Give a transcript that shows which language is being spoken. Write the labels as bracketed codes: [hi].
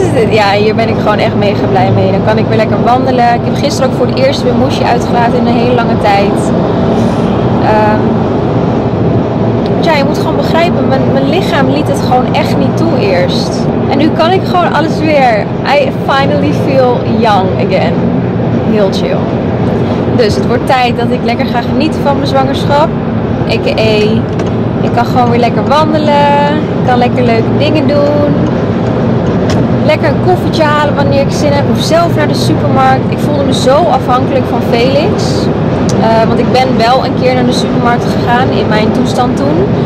[nl] Ja, hier ben ik gewoon echt mega blij mee. Dan kan ik weer lekker wandelen. Ik heb gisteren ook voor het eerst weer moesje uitgelaten in een hele lange tijd. Ja, je moet gewoon begrijpen. Mijn lichaam liet het gewoon echt niet toe eerst. En nu kan ik gewoon alles weer. [en] I finally feel young again. [nl] Heel chill. Dus het wordt tijd dat ik lekker ga genieten van mijn zwangerschap. A.k.a. Ik kan gewoon weer lekker wandelen. Ik kan lekker leuke dingen doen. Lekker een koffietje halen wanneer ik zin heb. Of zelf naar de supermarkt. Ik voelde me zo afhankelijk van Felix. Want ik ben wel een keer naar de supermarkt gegaan in mijn toestand toen.